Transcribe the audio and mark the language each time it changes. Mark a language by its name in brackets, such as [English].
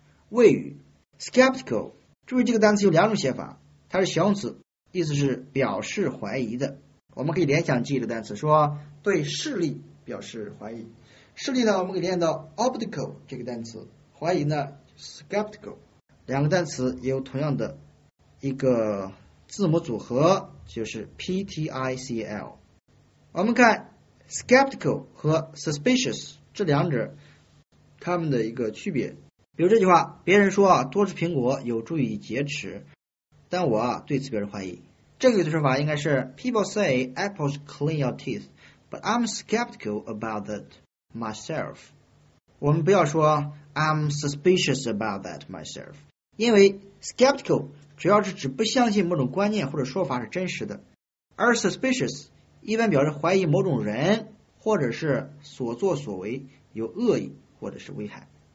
[Chinese] 位于 skeptical 注意这个单词有两种写法它是形容词意思是表示怀疑的我们可以联想记忆的单词说对视力表示怀疑视力呢我们可以联想到 optical 这个单词怀疑呢 skeptical 两个单词也有同样的一个字母组合就是 PTICL 我们看 skeptical 和 suspicious 这两者它们的一个区别比如这句话，别人说啊，多吃苹果有助于节食，但我啊对此表示怀疑。这个语的说法应该是 [English] People say apples clean your teeth, but I'm skeptical about that myself. [Chinese] 我们不要说 [English] I'm suspicious about that myself, [Chinese] 因为 skeptical 主要是指不相信某种观念或者说法是真实的，而 suspicious 一般表示怀疑某种人或者是所作所为有恶意或者是危害。